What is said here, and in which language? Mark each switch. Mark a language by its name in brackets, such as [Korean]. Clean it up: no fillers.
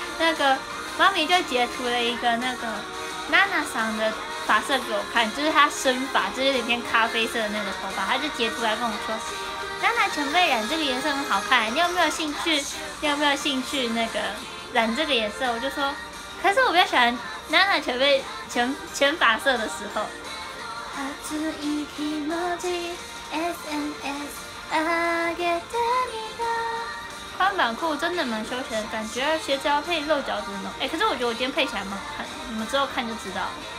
[Chinese] 那个妈咪就截图了一个那个娜娜桑的发色给我看，就是她生发，就是有点偏咖啡色的那个头发，她就截图来跟我说：“娜娜前辈染这个颜色很好看，你有没有兴趣？你有没有兴趣那个染这个颜色？” 我就说：“可是我比较喜欢娜娜前辈前发色的时候。” [Japanese] 熱い気持ち SNS あげてみた。 [Chinese] 宽版裤真的蛮休闲的感觉，鞋子要配露脚趾呢。可是我觉得我今天配起来蛮好看，你们之后看就知道了。